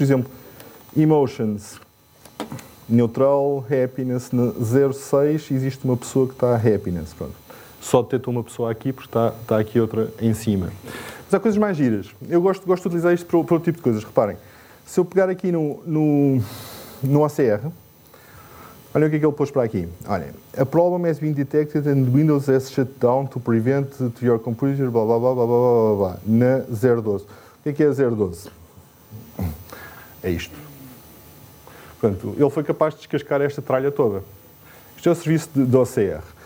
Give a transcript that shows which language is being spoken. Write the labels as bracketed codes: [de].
[pt] Por exemplo, emotions. Neutral, happiness, 06, existe uma pessoa que está a happiness. Pronto. Só detectou uma pessoa aqui, porque está aqui outra em cima. Mas há coisas mais giras. Eu gosto de utilizar isto para outro tipo de coisas. Reparem, se eu pegar aqui no OCR, olhem o que é que ele pôs para aqui. Olhem, [en] a problem has been detected and Windows has shut down to prevent to your computer, [pt] blá, blá, blá, blá, blá, blá, blá, blá, na 012. O que é a 012? É isto. Portanto, ele foi capaz de descascar esta tralha toda. Isto é o serviço de OCR.